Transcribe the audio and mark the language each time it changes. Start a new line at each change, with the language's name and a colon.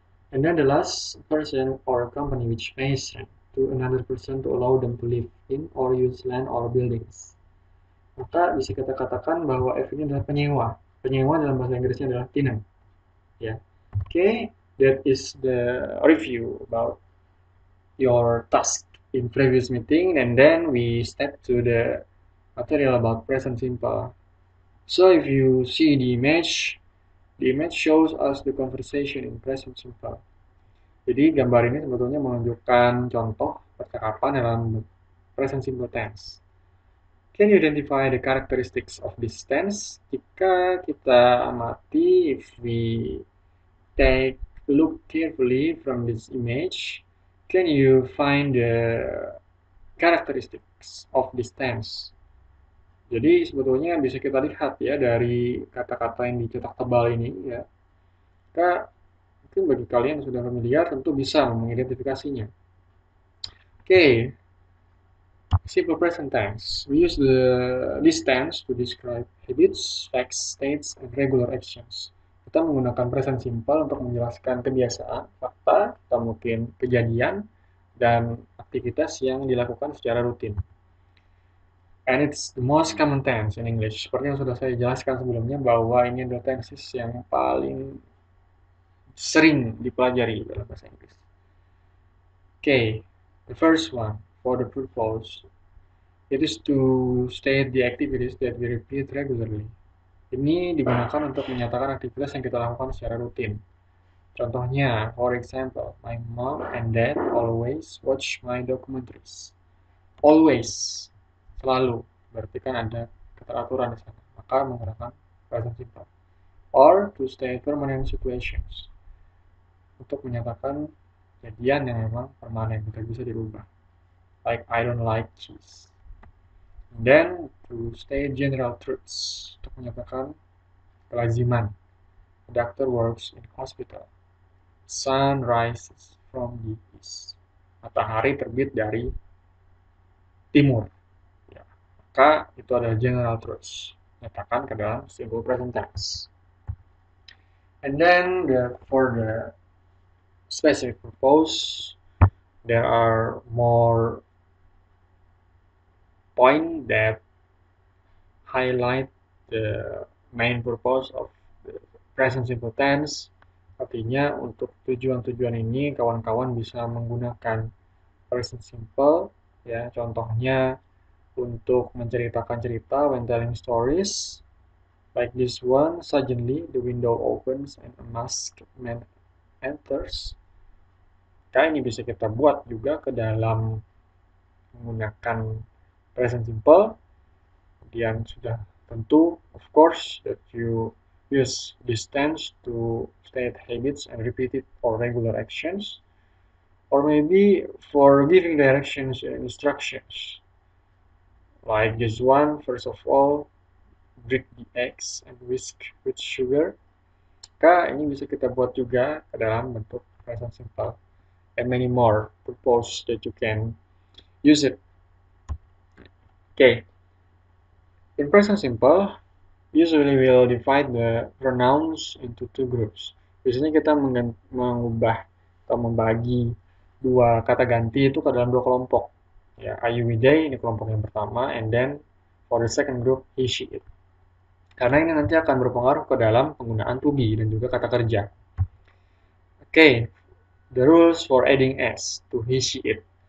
English: And then the last person or company which pays rent to another person to allow them to live in or use land or buildings.
Indonesian: Maka bisa kita katakan bahwa F ini adalah penyewa. Penyewa dalam bahasa Inggrisnya adalah tenant. Ya. Okay.
English: That is the review about your task in previous meeting, and then we step to the material about present simple. So if you see the image shows us the conversation in present simple.
Indonesian: Jadi gambar ini sebetulnya menunjukkan contoh percakapan dalam present simple tense.
English: Can you identify the characteristics of this tense?
Indonesian: Jika kita amati,
English: if we take look carefully from this image, can you find the characteristics of this tense?
Indonesian: Jadi sebetulnya bisa kita lihat ya dari kata-kata yang dicetak tebal ini ya. Maka mungkin bagi kalian yang sudah familiar tentu bisa mengidentifikasinya.
English: Okay. Simple present tense. We use this tense to describe habits, facts, states, and regular actions.
Indonesian: Kita menggunakan present simple untuk menjelaskan kebiasaan, fakta, atau mungkin kejadian, dan aktivitas yang dilakukan secara rutin.
English: And it's the most common tense in English.
Indonesian: Seperti yang sudah saya jelaskan sebelumnya bahwa ini adalah tenses yang paling sering dipelajari dalam bahasa Inggris.
English: Okay, the first one for the purpose. It is to state the activities that we repeat regularly.
Indonesian: Ini digunakan untuk menyatakan aktivitas yang kita lakukan secara rutin.
English: Contohnya, for example, my mom and dad always watch my documentaries.
Indonesian: Always, selalu, berarti kan ada keteraturan di sana. Maka menggunakan present simple.
English: Or to state permanent situations.
Indonesian: Untuk menyatakan kejadian yang memang permanen, tidak bisa dirubah.
English: Like, I don't like cheese. Then to state general truths,
Indonesian: untuk menyatakan kelaziman.
English: A doctor works in hospital. Sun rises from the east.
Indonesian: Matahari terbit dari timur. Ya. Maka itu adalah general truths, nyatakan ke dalam simple present tense.
English: And then for the specific purpose, there are more point that highlight the main purpose of the present simple tense.
Indonesian: Artinya untuk tujuan-tujuan ini kawan-kawan bisa menggunakan present simple ya. Contohnya untuk menceritakan cerita
English: when telling stories, like this one, suddenly the window opens and a masked man enters.
Indonesian: Kayak ini bisa kita buat juga ke dalam menggunakan present simple. Kemudian sudah tentu,
English: of course, that you use this tense to state habits and repeat it for regular actions. Or maybe for giving directions and instructions. Like this one, first of all, break the eggs and whisk with sugar.
Indonesian: Kak, ini bisa kita buat juga ke dalam bentuk present simple.
English: And many more purpose that you can use it. Okay. In present simple, usually we'll divide the pronouns into two groups.
Indonesian: Biasanya kita mengubah atau membagi dua kata ganti itu ke dalam dua kelompok.
English: Ya, I, you, we, they,
Indonesian: ini kelompok yang pertama,
English: and then for the second group, he, she, it.
Indonesian: Karena ini nanti akan berpengaruh ke dalam penggunaan to be dan juga kata kerja.
English: Okay, the rules for adding s to he, she, it.